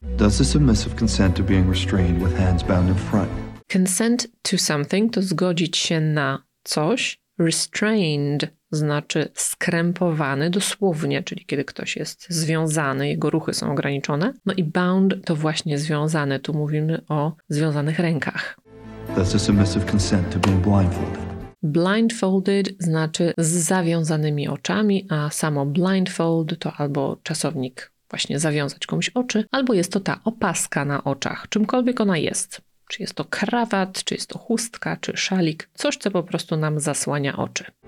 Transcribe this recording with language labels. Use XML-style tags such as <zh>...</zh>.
<en>Does the submissive consent to being restrained with hands bound in front? Consent to something</en> <pl>to zgodzić się na coś. Restrained znaczy skrępowany dosłownie, czyli kiedy ktoś jest związany, jego ruchy są ograniczone. No i bound to właśnie związane. Tu mówimy o związanych rękach.</pl> <en>Does the submissive consent to being blindfolded?</en> <pl>Blindfolded znaczy z zawiązanymi oczami, a samo blindfold to albo czasownik właśnie zawiązać komuś oczy, albo jest to ta opaska na oczach, czymkolwiek ona jest. Czy jest to krawat, czy jest to chustka, czy szalik, coś, co po prostu nam zasłania oczy.</pl>